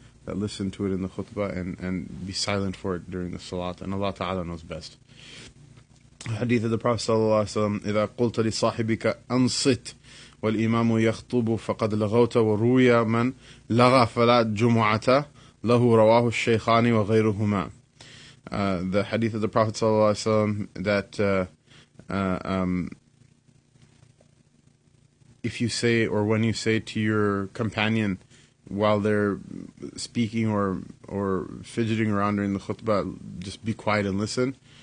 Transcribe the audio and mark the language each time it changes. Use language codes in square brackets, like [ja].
[en] That listen to it in the khutbah and be silent for it during the salat. And Allah Ta'ala knows best. Hadith of the Prophet Sallallahu Alaihi Wasallam, [ar] إِذَا قُلْتَ لِصَاحِبِكَ أَنْصِتْ وَالْإِمَامُ يَخْطُبُ فَقَدْ لَغَوْتَ وَرُوِيَ مَنْ لَغَى فَلَا جُمُعَةَ لَهُ رَوَاهُ الشَّيْخَانِ وَغَيْرُهُمَا. [en] The Hadith of the Prophet Sallallahu Alaihi Wasallam, that if you say, or when you say to your companion, while they're speaking or fidgeting around during the khutbah, just be quiet and listen.